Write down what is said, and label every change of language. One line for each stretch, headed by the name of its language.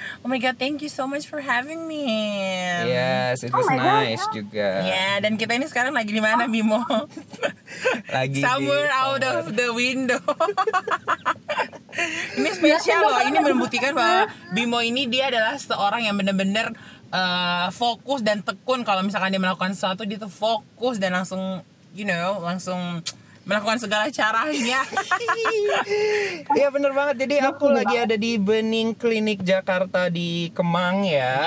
English: Oh my god, thank you so much for having me. Yes, it was nice
Indonesian: juga. Yeah, dan kita ini sekarang lagi di mana Bimo? Lagi
English: somewhere out of the window.
Indonesian: Ini spesial loh. Ini membuktikan bahwa Bimo ini dia adalah seorang yang benar-benar fokus dan tekun. Kalau misalkan dia melakukan sesuatu, dia tuh fokus dan langsung,
English: you know,
Indonesian: langsung melakukan segala caranya. Iya benar banget. Jadi aku lagi ada di Bening Klinik Jakarta di Kemang ya.